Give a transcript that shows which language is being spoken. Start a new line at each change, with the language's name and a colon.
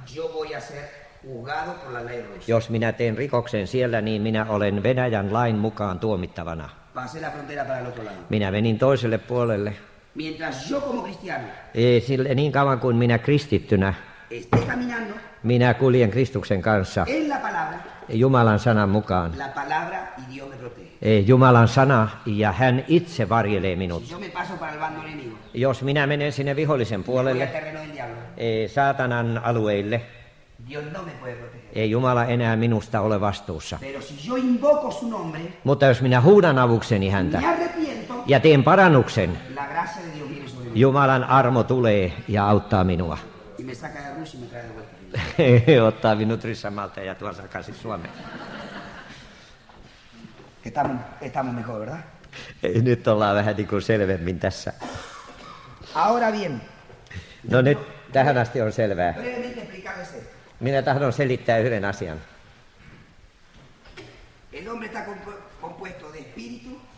Spanish: Yo voy a ser juzgado por la ley rusa.
Finnish: Jos minä teen rikoksen siellä, niin minä olen Venäjän lain mukaan tuomittavana.
Spanish: Pasé la frontera para el otro lado.
Finnish: Minä menin toiselle puolelle.
Spanish: Mientras yo como cristiano.
Finnish: Niin kauan kuin minä kristittynä.
Spanish: Esté caminando.
Finnish: Minä kuljen Kristuksen kanssa.
Spanish: En la palabra.
Finnish: Jumalan sanan mukaan.
Spanish: La palabra y Dios me protege.
Finnish: Jumalan sana ja hän itse varjelee minut.
Spanish: Si yo me paso para el bando enemigo.
Finnish: Jos minä menen sinne vihollisen puolelle.
Spanish: Me voy al terreno del diablo.
Finnish: Saatanan alueille.
Spanish: Dios no me puede proteger.
Finnish: Jumala enää minusta ole vastuussa.
Spanish: Pero si yo invoco su nombre.
Finnish: Mutta jos minä huudan avukseni häntä.
Spanish: Me arrepiento.
Finnish: Ja teen parannuksen.
Spanish: La gracia de Dios viene sobre mí.
Finnish: Jumalan armo tulee ja auttaa minua.
Spanish: Y me saca de Rusia y me trae de vuelta.
Finnish: Ottaa minut ryssämältä ja tuon takaisin Suomeen.
Spanish: Estamos mejor, ¿verdad?
Finnish: Nyt ollaan vähän niin kuin selvemmin tässä.
Spanish: Ahora bien.
Finnish: No nyt tähän asti on selvää. Minä tahdon selittää yhden asian.
Spanish: El hombre está compuesto de espíritu.